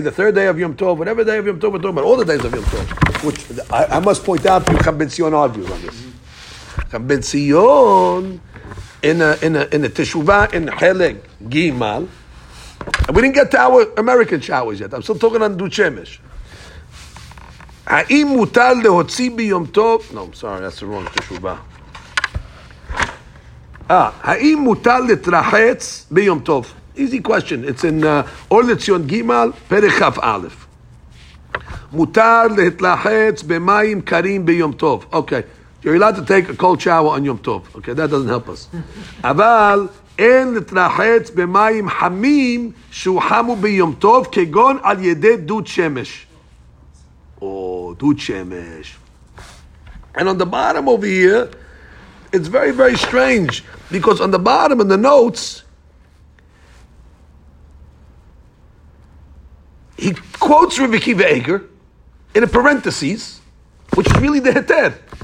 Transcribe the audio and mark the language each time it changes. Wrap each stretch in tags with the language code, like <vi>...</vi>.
<en>the third day of Yom Tov, whatever day of Yom Tov we're talking about, all the days of Yom Tov. Which I must point out to you, Chabad Tzion argues on this. Chabad Tzion, in a Teshuvah, in Heleg Gimal, and we didn't get to our American showers yet. I'm still talking on Dud Shemesh.</en> <he>האם מותר להוציא ביום טוב?</he> <en>No, I'm sorry, that's the wrong תשובה.</en> <he>האם מותר להתרחץ ביום טוב?</he> <en>Easy question. It's in</en> <he>אור לציון ג' פרק א'. מותר להתרחץ במים קרים ביום טוב.</he> <en>Okay. You're allowed to take a cold shower on יום טוב. Okay, that doesn't help us.</en> <he>אבל אין להתרחץ במים חמים שהוחמו ביום טוב כגון על ידי דוד שמש.</he> <en>Oh, Dud Shemesh. And on the bottom over here, it's very, very strange. Because on the bottom in the notes, he quotes Rabbi Akiva Eiger in a parenthesis, which is really the Heter.</en>